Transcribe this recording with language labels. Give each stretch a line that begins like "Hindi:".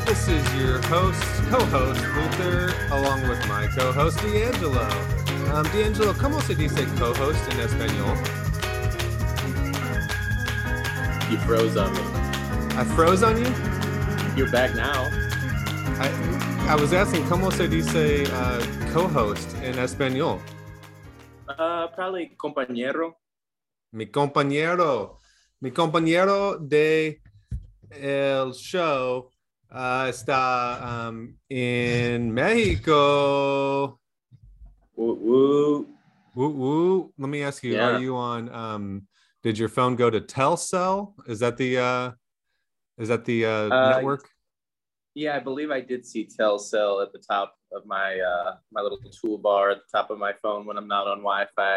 English: This is your host, co-host Luther, along with my co-host D'Angelo.
Spanish: D'Angelo, ¿cómo se dice co-host in Espanol?
English: You froze on me. I froze on you? You're back now. I was asking,
Spanish: ¿cómo se dice co-host in Espanol?
English: Probably compañero.
Spanish: Mi compañero. Mi compañero de el show está in Mexico. Woo woo.
English: Let me ask you, yeah. Are you on did your phone go to Telcel? Is that the network? Yeah, I believe I did see Telcel at the top of my my little toolbar at the top of my phone when I'm not on Wi-Fi.